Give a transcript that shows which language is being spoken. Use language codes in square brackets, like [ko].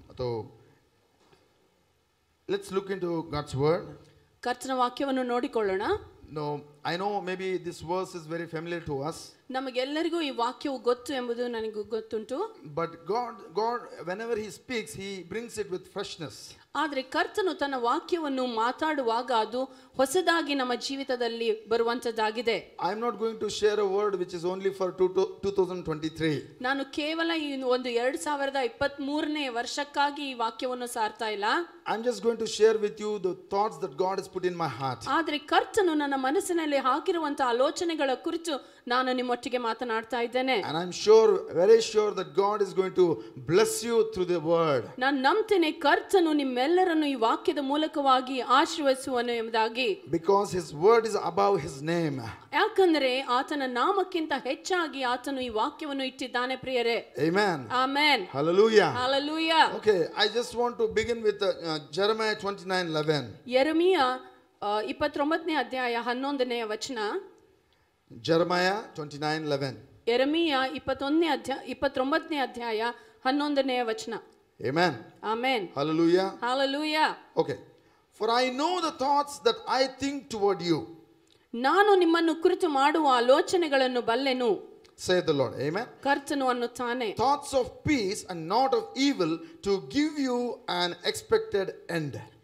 [en] So let's look into God's word. [kn] ಕರ್ತನ ವಾಕ್ಯವನ್ನು ನೋಡಿಕೊಳ್ಳೋಣ. [en] No, I know maybe this verse is very familiar to us. [kn] ನಮಗೆಲ್ಲರಿಗೂ ಈ ವಾಕ್ಯವು ಗೊತ್ತು ಎಂಬುದು ನನಗೆ ಗೊತ್ತುಂಟು. [en] But God whenever he speaks he brings it with freshness. [kn] ಆದರೆ ಕರ್ತನು ತನ್ನ ವಾಕ್ಯವನ್ನು ಮಾತಾಡುವಾಗ ಅದು ಹೊಸದಾಗಿ ನಮ್ಮ ಜೀವಿತದಲ್ಲಿ ಬರುವಂತದ್ದಾಗಿದೆ. [en] I am not going to share a word which is only for 2023. [kn] ನಾನು ಕೇವಲ ಈ ಒಂದು 2023ನೇ ವರ್ಷಕ್ಕಾಗಿ ಈ ವಾಕ್ಯವನ್ನು ಸಾರ್ತಾ ಇಲ್ಲ. [en] I'm just going to share with you the thoughts that God has put in my heart. [kn] ಆದರೆ ಕರ್ತನು ನನ್ನ ಮನಸ್ಸಿನಲ್ಲಿ ಹಾಕಿರುವಂತಹ ಆಲೋಚನೆಗಳ ಕುರಿತು ನಾನು ನಿಮ್ಮೊಟ್ಟಿಗೆ ಮಾತನಾಡ್ತಾ ಇದ್ದೇನೆ. [en] And I'm sure, very sure that God is going to bless you through the word. [kn] ನಾನು ನಂಬುತ್ತೇನೆ ಕರ್ತನು ನಿಮ್ಮೆಲ್ಲರನ್ನು ಈ ವಾಕ್ಯದ ಮೂಲಕವಾಗಿ ಆಶೀರ್ವದಿಸುವನು ಎಂಬುದಾಗಿ. [en] Because his word is above his name. [kn] ಯಾಕಂದ್ರೆ ಆತನ ನಾಮಕ್ಕಿಂತ ಹೆಚ್ಚಾಗಿ ಆತನು ಈ ವಾಕ್ಯವನ್ನು ಇಟ್ಟಿದ್ದಾನೆ ಪ್ರಿಯರೇ. Amen. Amen. Hallelujah. Hallelujah. [en] Okay, I just want to begin with Jeremiah 29:11. [kn] ಯೆರೆಮೀಯಾ 29ನೇ ಅಧ್ಯಾಯ 11ನೇ ವಚನ. [en] Jeremiah 29:11. [kn] ಯೆರೆಮೀಯಾ 21ನೇ ಅಧ್ಯಾಯ 29ನೇ ಅಧ್ಯಾಯ 11ನೇ ವಚನ. Amen. Amen. Hallelujah. Hallelujah. [en] Okay. For I know the thoughts that I think toward you. [kn] ನಾನು ನಿಮ್ಮನ್ನು ಕುರಿತು ಮಾಡುವ ಆಲೋಚನೆಗಳನ್ನು ಬಲ್ಲೆನು. [en] Say the Lord. Amen. [kn] ಕರ್ತನು ಅನ್ನುತ್ತಾನೆ. [en] Thoughts of peace and not of evil to give you an expected end.